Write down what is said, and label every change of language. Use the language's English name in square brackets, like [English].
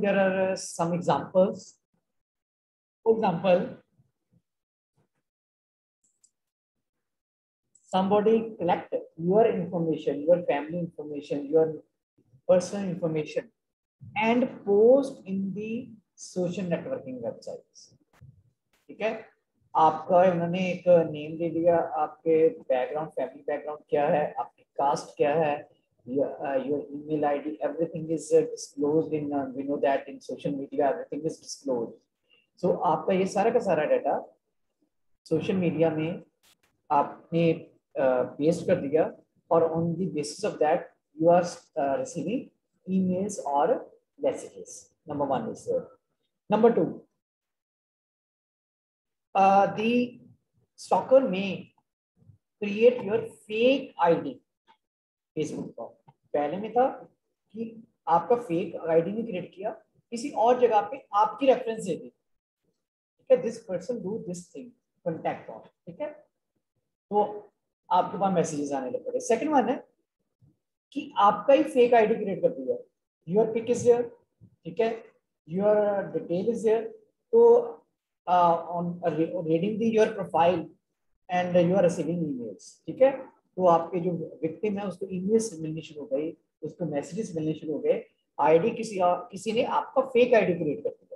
[English] There are some examples. For example, somebody collected your information, your family information, your personal information, and post in the social networking websites. [Hindi] ठीक है, आपका उन्होंने एक name दे दिया, आपके background family background क्या है, आपकी कास्ट क्या है, [English] Your email ID, everything is disclosed in, we know that in social media everything is disclosed. [Hindi] सो आपका ये सारा का सारा डाटा सोशल मीडिया में आपने पेस्ट कर दिया, और [English] On the basis of that you are receiving emails or messages. Number one is there. Number two, the stalker may create your fake ID Facebook पर. [Hindi] पहले में था कि आपका fake ID नहीं create किया, किसी और जगह पे आपकी reference दे दी. ठीक है, [English] this person do this thing, contact form. [Hindi] ठीक है, तो आपके पास messages आने लग पड़े. [English] Second one [Hindi] है कि आपका ही fake ID create कर दिया. [English] Your pic is here, [Hindi] ठीक है, [English] your detail is here. So on reading the your profile and you are receiving emails, [Hindi] ठीक है, तो आपके जो victim है उसको emails मिलने शुरू हो गए, उसको messages मिलने शुरू हो गए, ID किसी ने आपका fake ID create कर दिया.